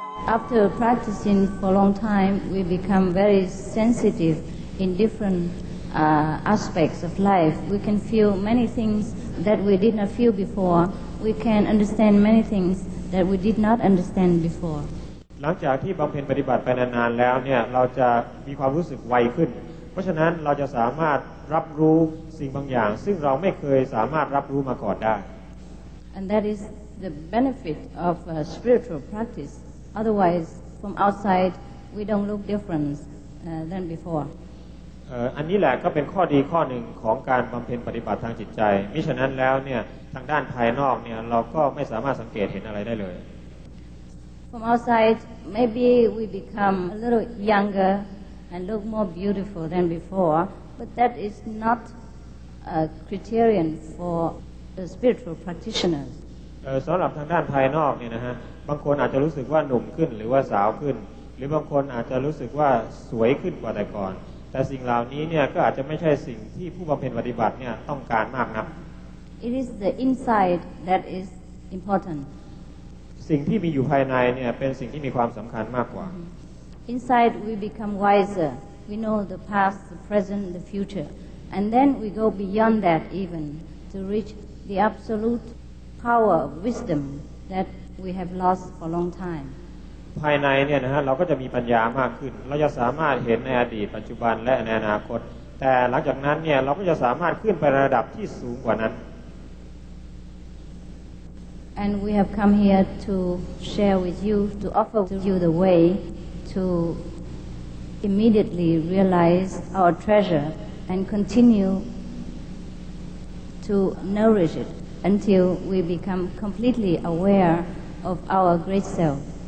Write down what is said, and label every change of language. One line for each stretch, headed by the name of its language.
English: After practicing for a long time, we become very sensitive in different aspects of life. We can feel many things that we did not feel before. We can understand many things that we did not understand before.
Thai: หลังจากที่บำเพ็ญปฏิบัติไปนานๆแล้วเนี่ยเราจะมีความรู้สึกไวขึ้นเพราะฉะนั้นเราจะสามารถรับรู้สิ่งบางอย่างซึ่งเราไม่เคยสามารถรับรู้มาก่อนได้
English: And that is the benefit of spiritual practice. Otherwise, from outside, we don't look different than before.
Thai: อันนี้แหละก็เป็นข้อดีข้อหนึ่งของการบำเพ็ญปฏิบัติทางจิตใจมิฉะนั้นแล้วเนี่ยทางด้านภายนอกเนี่ยเราก็ไม่สามารถสังเกตเห็นอะไรได้เลย
English: From outside, maybe we become a little younger and look more beautiful than before, but that is not a criterion for the spiritual practitioners.
Thai: สำหรับทางด้านภายนอกเนี่ยนะฮะบางคนอาจจะรู้สึกว่าหนุ่มขึ้นหรือว่าสาวขึ้นหรือบางคนอาจจะรู้สึกว่าสวยขึ้นกว่าแต่ก่อนแต่สิ่งเหล่านี้เนี่ยก็อาจจะไม่ใช่สิ่งที่ผู้บำเพ็ญปฏิบัติเนี่ยต้องการมากนัก
English: It is the inside that is important
Thai: สิ่งที่มีอยู่ภายในเนี่ยเป็นสิ่งที่มีความสำคัญมากกว่า
English: Inside we become wiser we know the past the present the future and then we go beyond that even to reach the absolute power of wisdom thatWe have lost for a long time.
Thai: ภายในเนี่ยนะฮะเราก็จะมีปัญญามากขึ้นเราจะสามารถเห็นในอดีตปัจจุบันและในอนาคตแต่หลังจากนั้นเนี่ยเราก็จะสามารถขึ้นไประดับที่สูงกว่านั้น
English: And we have come here to share with you to offer to you the way to immediately realize our treasure and continue to nourish it until we become completely awareOf our great self.